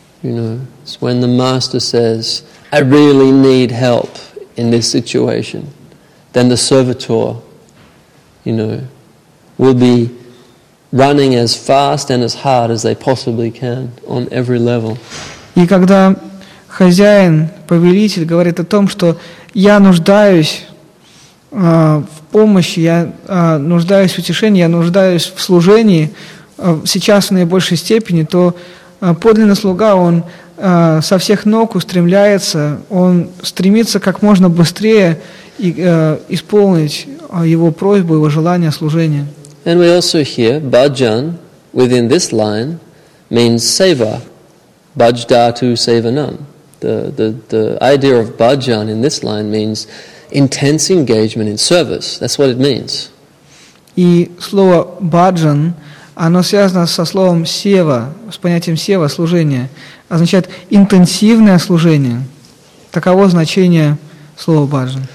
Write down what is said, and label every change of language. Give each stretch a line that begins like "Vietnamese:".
English: You know, it's when the master says, I really need help in this situation. Then the servitor, you know, will be running as fast and as hard as they possibly can on every level.
Russian: И когда хозяин, повелитель говорит о том, что я нуждаюсь в помощи, я нуждаюсь в утешении, я нуждаюсь в служении сейчас в наибольшей степени, то подлинный слуга, он со всех ног устремляется, он стремится как можно быстрее исполнить его просьбу, его желание служения.
English: And we also hear bhajan within this line means seva,
Sanskrit: bhajdhatu sevanam.
English: The idea of bhajan in this line means intense engagement in service. That's what it means.
Russian: И слово bhajan, оно связано со словом сева, с понятием сева, служение. Означает интенсивное служение. Таково значение слова bhajan.